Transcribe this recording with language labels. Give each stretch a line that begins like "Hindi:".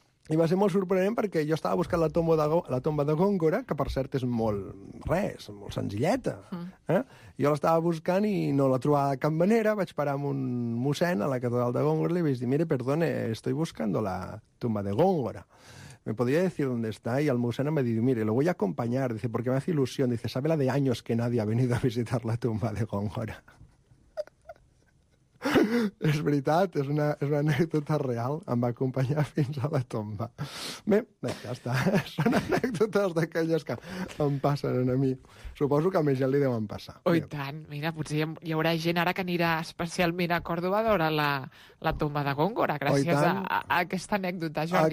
Catalan: I va ser molt sorprenent perquè jo estava buscant la tomba de Góngora, que per cert és molt senzilleta. Jo l'estava buscant i no la trobava de cap manera. Vaig parar amb un mossèn a la catedral de Góngora i li vaig dir,
Spanish: mire, perdone, estoy buscando la tomba de Góngora. ¿Me podría decir dónde está? Y el mossèn
Catalan: em va dir,
Spanish: mire, lo voy a acompañar. Dice, porque me hace ilusión. Dice, sabe la de años que nadie ha venido a visitar la tomba de Góngora.
Catalan: És veritat, és una anècdota real. Em va acompanyar fins a la tomba. Bé, ja està. Són anècdotes d'aquelles que em passen a mi. Suposo que a més ja li deuen passar. Oh, i tant. Mira, potser hi haurà gent ara que anirà especialment a Còrdoba a veure la tomba de Góngora, gràcies a aquesta anècdota, Joni.